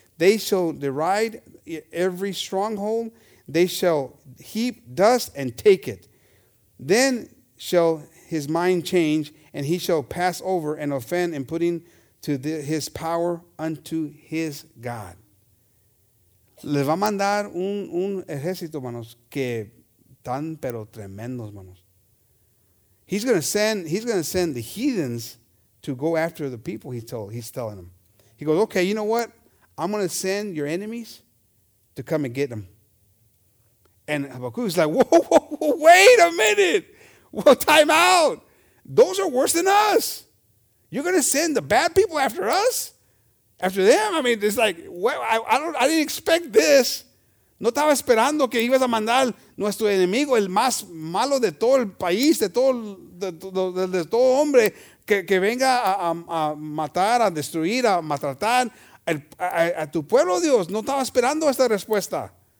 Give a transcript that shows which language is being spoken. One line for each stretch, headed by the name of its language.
English: They shall deride every stronghold. They shall heap dust and take it. Then shall his mind change, and he shall pass over and offend in putting to his power unto his God.
Spanish: Les va a mandar un ejército, manos, que tan pero tremendos, manos.
English: He's gonna send the heathens to go after the people. He's telling them. He goes, okay, you know what? I'm gonna send your enemies to come and get them. And Habakkuk's like, whoa, wait a minute. Well, time out. Those are worse than us. You're gonna send the bad people after us? After them? I mean, it's like, well, I didn't expect this.
Spanish: No estaba esperando que ibas a mandar nuestro enemigo, el más malo de todo el país, de todo hombre, que venga a matar, a destruir, a maltratar a tu pueblo, Dios. No estaba esperando esta respuesta.